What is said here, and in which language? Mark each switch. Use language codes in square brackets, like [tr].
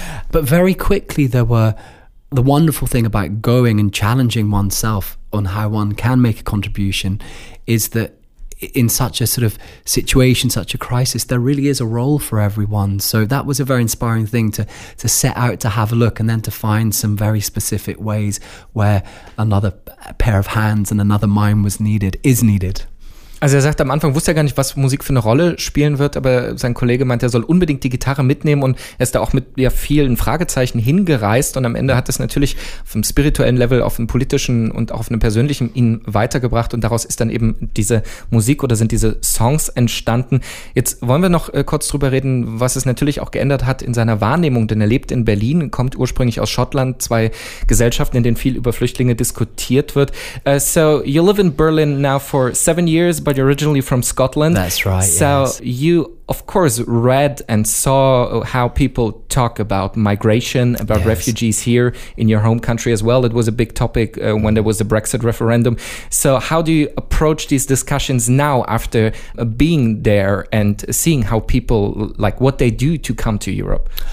[en] But very quickly, there were the wonderful thing about going and challenging oneself on how one can make a contribution is that in such a sort of situation, such a crisis, there really is a role for everyone. So that was a very inspiring thing to set out to have a look, and then to find some very specific ways where another pair of hands and another mind was needed, is needed. [de] Also er sagt, am Anfang wusste er gar nicht, was Musik für eine Rolle spielen wird, aber sein Kollege meint, er soll unbedingt die Gitarre mitnehmen, und er ist da auch mit vielen Fragezeichen hingereist, und am Ende hat es natürlich auf einem spirituellen Level, auf einem politischen und auch auf einem persönlichen ihn weitergebracht, und daraus ist dann eben diese Musik oder sind diese Songs entstanden. Jetzt wollen wir noch kurz drüber reden, was es natürlich auch geändert hat in seiner Wahrnehmung, denn er lebt in Berlin, kommt ursprünglich aus Schottland, zwei Gesellschaften, in denen viel über Flüchtlinge diskutiert wird. [en] So you live in Berlin now for 7 years, but you're originally from Scotland. That's right. So yes. You, of course, read and saw how people talk about migration, about refugees here in your home country as well. It was a big topic when there was the Brexit referendum. So how do you approach these discussions now after being there and seeing how people, like what they do to come to Europe?